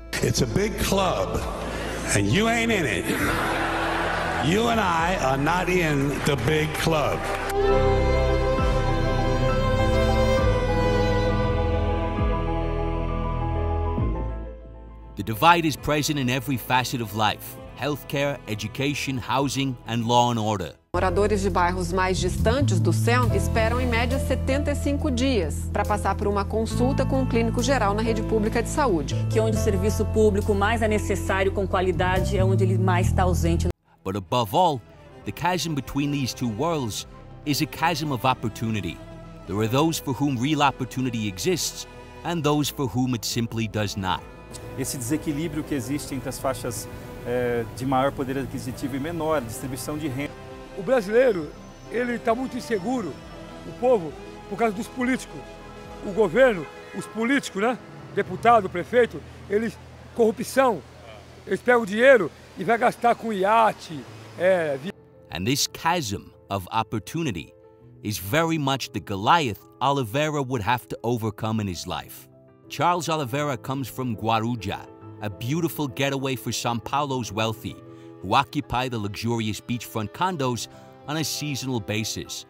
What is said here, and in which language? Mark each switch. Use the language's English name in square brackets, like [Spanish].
[English] It's a big club, and you ain't in it. You and I are not in the big club. The divide is present in every facet of life. Healthcare, education, housing, and law and order. [Portuguese] Moradores de bairros mais distantes do centro esperam em média 75 dias para passar por uma consulta com um clínico geral na rede pública de saúde. Que onde o serviço público mais é necessário com qualidade é onde ele mais está ausente. [English] But above all, the chasm between these two worlds is a chasm of opportunity. There are those for whom real opportunity exists and those for whom it simply does not. [Portuguese] Esse desequilíbrio que existe entre as faixas de maior poder aquisitivo e menor distribuição de renda. O brasileiro, ele está muito inseguro, o povo, por causa dos políticos. O governo, os políticos, né? deputado, prefeito, eles... corrupção. Eles pegam o dinheiro e vai gastar com iate. [English] And this chasm of opportunity is very much the Goliath Oliveira would have to overcome in his life. Charles Oliveira comes from Guaruja, a beautiful getaway for São Paulo's wealthy, who occupy the luxurious beachfront condos on a seasonal basis.